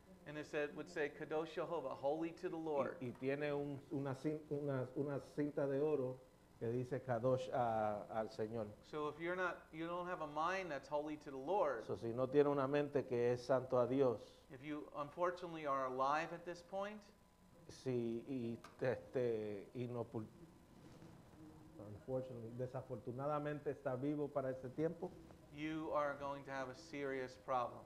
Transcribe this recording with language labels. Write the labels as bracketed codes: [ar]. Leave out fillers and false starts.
[en] And it said, would say, Kadosh Jehovah, holy to the Lord. [es] Y tiene una cinta de oro que dice Kadosh al Señor. [en] So if you don't have a mind that's holy to the Lord. [es] So si no tiene una mente que es santo a Dios. [en] If you unfortunately are alive at this point. [es] Si y [en] unfortunately, [es] desafortunadamente está vivo para este tiempo. [en] You are going to have a serious problem.